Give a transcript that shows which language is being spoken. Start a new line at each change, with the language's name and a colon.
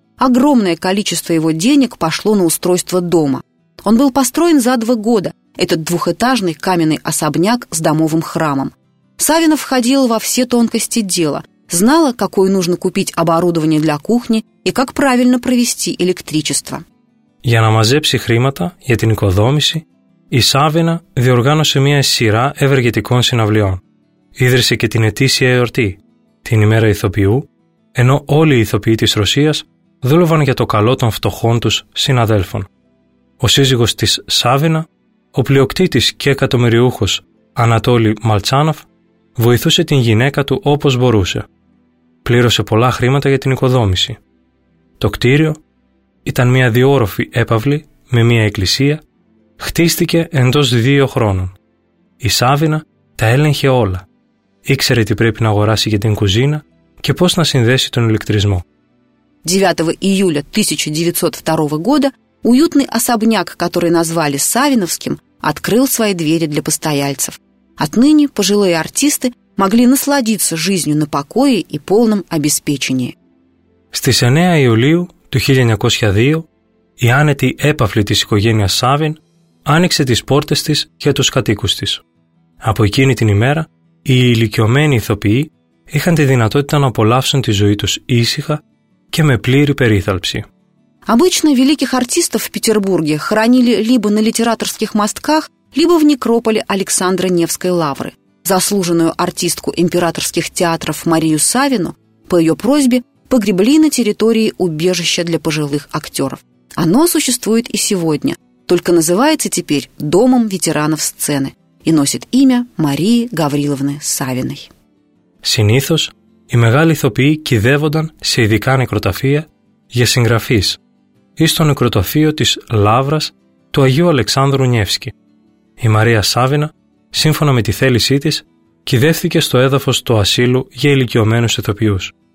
Russian: Огромное количество его денег пошло на устройство дома. Он был построен за 2 года, этот двухэтажный каменный особняк с домовым храмом. Савина входила во все тонкости дела, знала, какое нужно купить оборудование для кухни и как правильно провести электричество.
Greek: Για να μαζέψει χρήματα για την οικοδόμηση, η Σάβινα διοργάνωσε μια σειρά ευεργετικών συναυλιών. Ίδρυσε και την ετήσια εορτή, την ημέρα ηθοποιού, ενώ όλοι οι ηθοποιοί της Ρωσίας δούλευαν για το καλό των φτωχών τους συναδέλφων. Ο σύζυγος της Σάβινα, ο πλειοκτήτης και εκατομμυριούχος Ανατόλη Μαλτσάνοφ, βοηθούσε την γυναίκα του όπως μπορούσε. Πλήρωσε πολλά χρήματα για την οικοδόμηση. Το κτίριο ήταν μια διόροφη έπαυλη με μια εκκλησία, χτίστηκε εντός 2 χρόνων. Η Σάβινα τα έλεγχε όλα. Ήξερε τι πρέπει να αγοράσει για την κουζίνα και πώς να συνδέσει τον ηλεκτρισμό.
Russian: 9 Ιούλια 1902 года уютный особняк, который назвали Савиновским, открыл свои двери для постояльцев. Отныне пожилые артисты могли насладиться жизнью на покое и полном обеспечении.
Greek: Στις 9 Ιουλίου του 1902 η άνετη έπαφλη της οικογένειας Σάβιν άνοιξε τις πόρτες της και τους κατοίκους της. Από εκείνη την ημέρα οι ηλικιωμένοι ηθοποιοί είχαν τη δυνατότητα να απολαύσουν τη ζωή τους ήσυχα και με πλήρη περίθαλψη.
Russian: Обычно великих артистов в Петербурге хранили либо на литераторских мостках, либо в некрополе Александра Невской лавры. Заслуженную артистку императорских театров Марию Савину по ее просьбе погребли на территории убежища для пожилых актеров. Оно существует и сегодня, только называется теперь «Домом ветеранов сцены» и носит имя Марии Гавриловны Савиной.
Greek: Συνήθως, οι μεγάλοι ηθοποιοί κυδεύονταν σε ειδικά νεκροταφεία για συγγραφείς ή στο νεκροταφείο της Λαύρας του Αγίου Αλεξάνδρου Νιεύσκη. Η Μαρία Σάβινα, σύμφωνα με τη θέλησή της, κυδεύθηκε στο έδαφος του ασύλου για ηλικιωμένους ηθοποιούς.